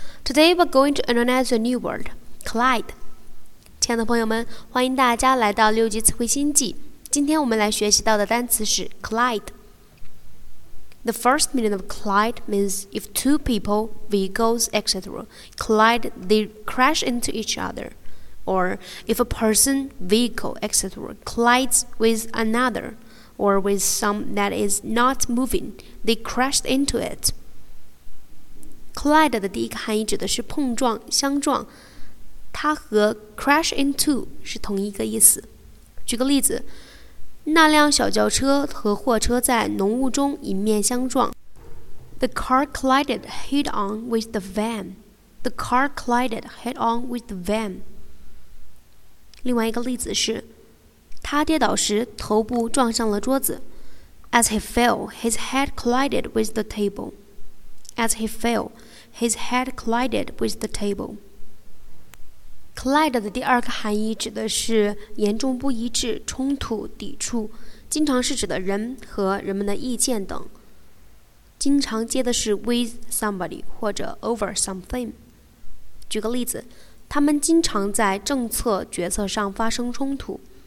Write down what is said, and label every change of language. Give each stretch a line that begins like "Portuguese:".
English: Today we're going to analyze a new word, collide.
Chinese: 亲爱的朋友们，欢迎大家来到六级词汇星际。今天我们来学习到的单词是 collide.
English: The first meaning of collide means if two people, vehicles, etc. collide, they crash into each other. Or if a person, vehicle, etc. collides with another. Or with some that is not moving, they crashed into it.
Chinese: Collide 的第一个含义指的是碰撞、相撞，它和 crash into 是同一个意思。举个例子，那辆小轿车和货车在浓雾中迎面相撞。
English: The car collided head-on with the van. The car collided head-on with the van.
Chinese: 另外一个例子是。他跌倒时头部撞上了桌子。
English: As he fell, his head collided with the table. As he fell, his head collided with the table.
Chinese: Collide 的第二个含义指的是严重不一致、冲突、抵触，经常是指的人和人们的意见等。经常接的是 with somebody 或者 over something. 举个例子，他们经常在政策决策上发生冲突。